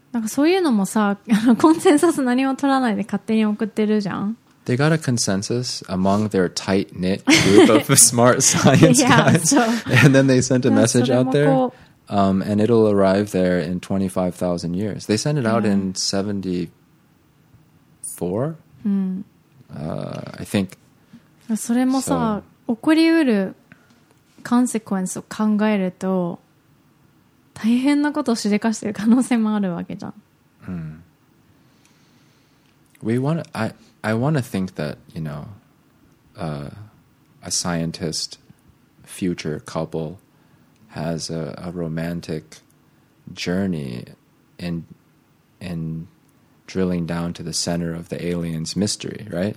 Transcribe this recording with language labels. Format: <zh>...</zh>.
<ja>なんかそういうのもさ、コンセンサス何も取らないで勝手に送ってるじゃん。</ja> <en>They got a consensus among their tight-knit group of smart science guys. And then they sent a message out there. And it'll arrive there in 25,000 years. They sent it out in 74? I think.</en> <ja>それもさ、起こりうるコンセクエンスを考えると、大変なことをしでかしてる可能性もあるわけじゃん。</ja> <en>I want to think that, you know, a scientist future couple has a romantic journey in drilling down to the center of the aliens' mystery, right?</en>